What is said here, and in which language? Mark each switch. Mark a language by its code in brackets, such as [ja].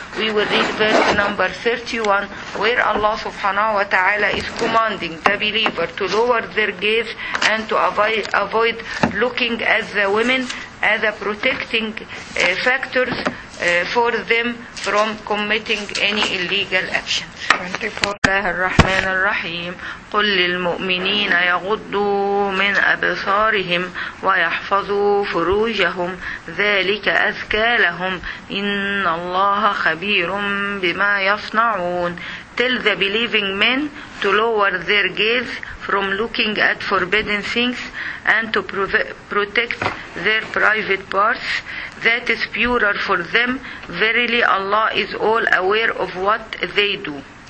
[en] We will read verse number 31, where Allah subhanahu wa ta'ala is commanding the believer to lower their gaze and to avoid looking at the women as a protecting factors for them from committing any illegal actions. 24. [ar] الله الرحمن الرحيم قل للمؤمنين يغضوا من أبصارهم ويحفظوا فروجهم ذلك أزكى لهم إن الله خبير بما يصنعون. [en] Tell the believing men to lower their gaze from looking at forbidden things and to protect their private parts. That is purer for them. Verily Allah is all aware of what they do.